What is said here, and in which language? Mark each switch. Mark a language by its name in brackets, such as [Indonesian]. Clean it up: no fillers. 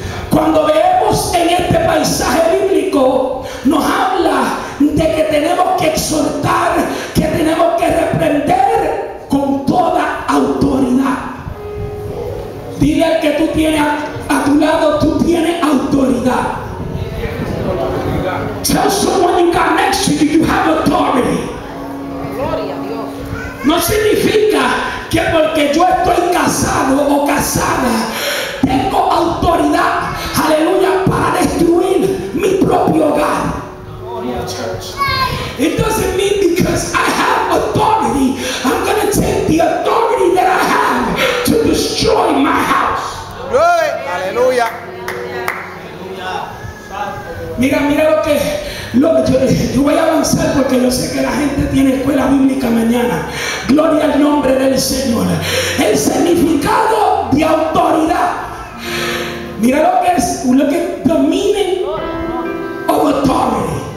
[Spanish] Cuando veamos en este paisaje bíblico, nos habla de que tenemos que exhortar, que tenemos que reprender con toda autoridad. Dile al que tú tienes a tu lado, tú tienes autoridad. [English] Tell someone you got next to you, you have authority. [Spanish] Gloria a Dios. No significa que porque yo estoy casado o casada, tengo autoridad, aleluya, para destruir mi propio hogar. Gloria, church. [English] It doesn't mean because I have authority, I'm going to take the authority that I have to destroy my house. Good. Aleluya. [Spanish] Mira, mira lo que yo voy a avanzar porque yo sé que la gente tiene escuela bíblica mañana. Gloria al nombre del Señor. El significado de autoridad. Mira lo que es, lo que dominen [English] of authority.